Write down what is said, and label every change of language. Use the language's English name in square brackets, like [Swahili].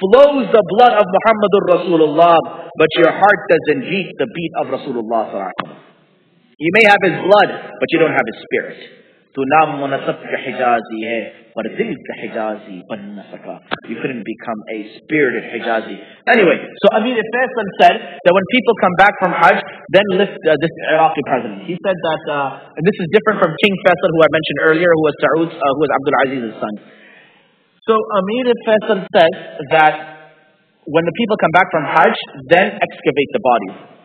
[English] flows the blood of Muhammadur Rasulullah, but your heart doesn't beat the beat of Rasulullah sallallahu alaihi wasallam. You may have his blood, but you don't have his spirit. [Urdu] تو نام منصب کا حجازی ہے پر دل کا حجازی بن نہ سکا. [English] You couldn't become a spirited Hijazi. Anyway, so Amir Faisal said that when people come back from Hajj, then lift this Iraqi president. He said that, and this is different from King Faisal, who I mentioned earlier, who was Saud, who was Abdul Aziz's son. So Amir Faisal said that when the people come back from Hajj, then excavate the body.